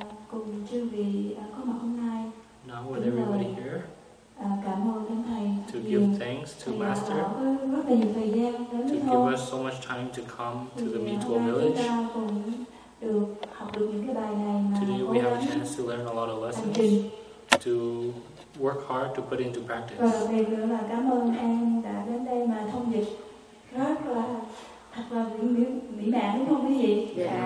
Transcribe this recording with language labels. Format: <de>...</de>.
<vi>Cùng chư vị có mặt hôm nay.</vi> <en>Now with everybody here.</en> <vi>Cảm ơn thánh thầy.</vi> <en>To give thanks to Master.</en> <vi>Rất là nhiều thời gian đến</vi> <en>to give us so much time to come to the Mito village. Today we have a chance to learn a lot of lessons. To work hard to put into practice.</en> <vi>Và đặc biệt là cảm ơn em đã đến đây mà thông dịch rất là thật là mỹ mãn đúng không quý vị?</vi>